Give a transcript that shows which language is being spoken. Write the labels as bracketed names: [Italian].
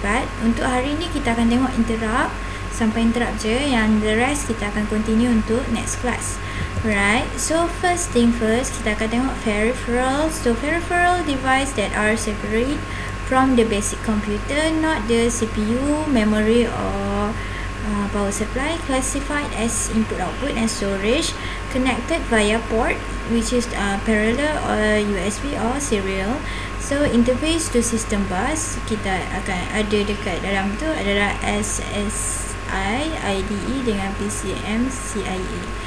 [Malay] But untuk hari ni kita akan tengok interrupt, sampai interrupt je, yang [English] the rest [Malay] kita akan continue untuk [English] next class. Right, so first thing first, [Malay] kita akan tengok [English] peripheral. So peripheral device that are separate from the basic computer, not the CPU, memory or power supply, classified as input output and storage, connected via port which is parallel or USB or serial. So interface to system bus, [Malay] kita akan ada dekat dalam tu adalah SSI IDE dengan PCM CIA.